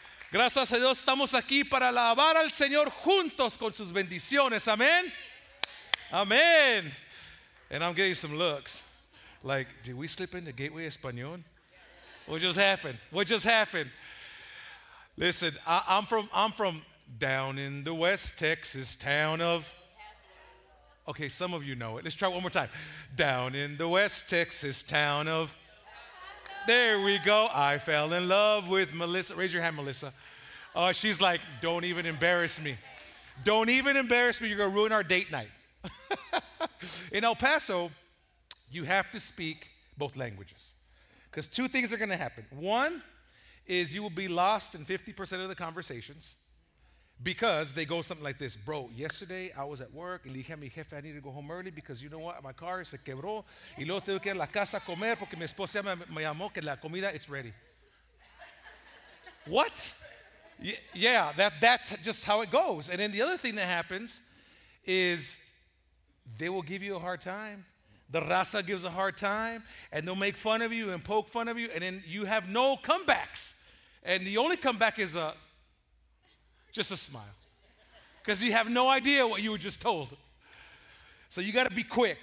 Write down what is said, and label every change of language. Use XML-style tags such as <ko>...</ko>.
<es>Gracias a Dios estamos aquí para alabar al Señor juntos con sus bendiciones. Amén. Amén.</es> <en>And I'm getting some looks. Like, did we slip into Gateway Español? What just happened? What just happened? Listen, I'm from down in the West Texas town of. Okay, some of you know it. Let's try one more time. Down in the West Texas town of. There we go. I fell in love with Melissa. Raise your hand, Melissa. She's like, don't even embarrass me. Don't even embarrass me. You're going to ruin our date night. In El Paso, you have to speak both languages. Because two things are going to happen. One is you will be lost in 50% of the conversations. Because they go something like this. Bro, yesterday I was at work.</en> <es>Y le dije a mi jefe,</es> <en>I need to go home early because you know what? My car</en> <es>se quebró. Y luego tengo que ir a la casa a comer porque mi esposa me llamó que la comida,</es> <en>it's ready. What? Yeah, that's just how it goes. And then the other thing that happens is they will give you a hard time. The raza gives a hard time. And they'll make fun of you and poke fun of you. And then you have no comebacks. And the only comeback is just a smile, because you have no idea what you were just told. So you got to be quick.</en>